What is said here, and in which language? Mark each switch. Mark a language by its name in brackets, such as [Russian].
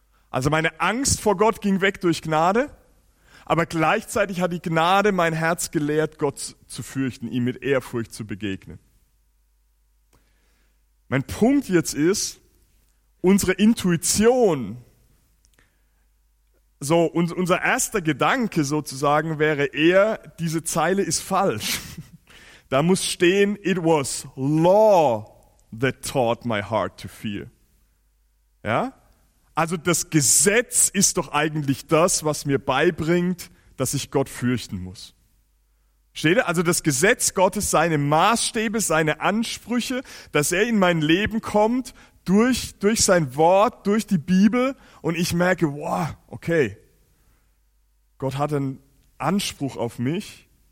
[German] Also meine Angst vor Gott ging weg durch Gnade, aber gleichzeitig hat die Gnade mein Herz gelehrt, Gott zu fürchten, ihm mit Ehrfurcht zu begegnen. Mein Punkt jetzt ist, unsere Intuition, so unser erster Gedanke sozusagen wäre eher, diese Zeile ist falsch. Da muss stehen, [English] it was law that taught my heart to fear. [German] Ja? Also das Gesetz ist doch eigentlich das, was mir beibringt, dass ich Gott fürchten muss. Steht ihr? Also das Gesetz Gottes, seine Maßstäbe, seine Ansprüche, dass er in mein Leben kommt durch sein Wort, durch die Bibel und ich merke, wow, okay, Gott hat einen Anspruch auf mich.